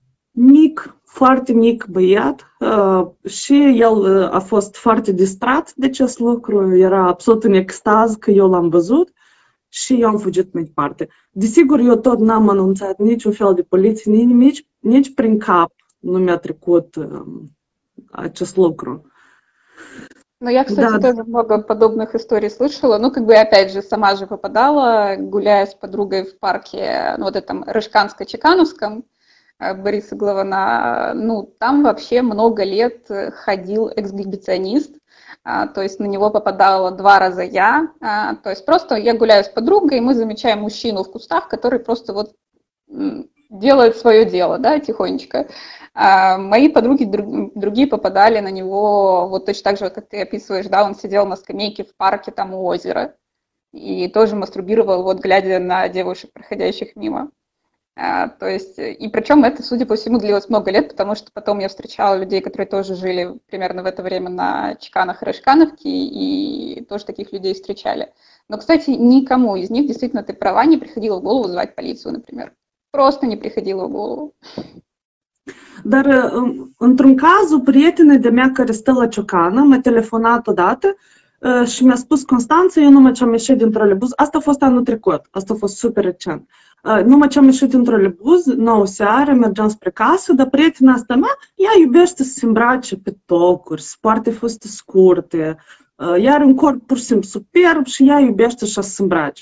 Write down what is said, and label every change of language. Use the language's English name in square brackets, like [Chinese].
[Romanian] mic, foarte mic băiat și el a fost foarte distrat de acest lucru, era absolut în extaz că eu l-am văzut și eu am fugit mai departe. Desigur, eu tot n-am anunțat niciun fel de poliție, nici prin cap nu mi-a trecut acest lucru. [Russian] Ну, я, кстати, да. тоже много подобных историй слышала. Ну, как бы, опять же, сама же попадала, гуляя с подругой в парке, ну, вот этом Рыжканско-Чекановском, Бориса Главана, ну, там вообще много лет ходил эксгибиционист, то есть на него попадала два раза я, то есть просто я гуляю с подругой, и мы замечаем мужчину в кустах, который просто вот делает свое дело, да, тихонечко. Мои подруги другие попадали на него, вот точно так же, как ты описываешь, да, он сидел на скамейке в парке там у озера и тоже мастурбировал, вот глядя на девушек, проходящих мимо. То есть, и причем это, судя по всему, длилось много лет, потому что потом я встречала людей, которые тоже жили примерно в это время на Чеканах и Рыжкановке, и тоже таких людей встречали. Но, кстати, никому из них, действительно, ты права, не приходило в голову звать полицию, например. Просто не приходило в голову. [Romanian] Dar într-un caz, prietena de mea care stă la Ciocana, m-a telefonat odată și mi-a spus: Constanță, eu numai ce am ieșit din trolebuz, asta a fost anul trecut, asta a fost super recent. Numai ce am ieșit din trolebuz, 9 seara, mergeam spre casă, dar prietena asta mea, ea iubește să se îmbrace pe tocuri, să poarte fuste scurte, ea are un corp pur și simplu superb și ea iubește așa să se îmbrace.